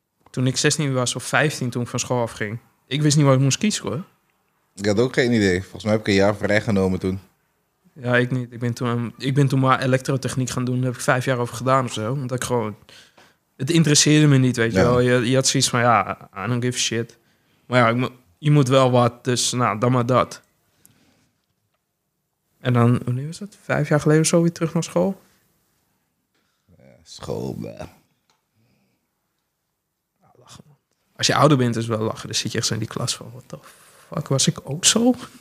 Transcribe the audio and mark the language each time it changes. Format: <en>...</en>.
<nl>Toen ik 16 was of 15, toen ik van school afging. Ik wist niet wat ik moest kiezen, hoor. Ik had ook geen idee. Volgens mij heb ik een jaar vrijgenomen toen. Ja, ik niet. Ik ben toen maar elektrotechniek gaan doen. Daar heb ik 5 jaar over gedaan of zo. Omdat ik gewoon... Het interesseerde me niet, weet je wel. Je had zoiets van, ja,</nl> <en>I don't give a shit.</en> <nl>Maar ja, je moet wel wat, dus nou, dan maar dat. En dan, wanneer was dat? 5 jaar geleden of zo weer terug naar school? Ja, school, man. Ja, lachen, man. Als je ouder bent, is wel lachen. Dan zit je echt in die klas van,</nl> <en>what the fuck,</en> <nl>was ik ook zo?</nl>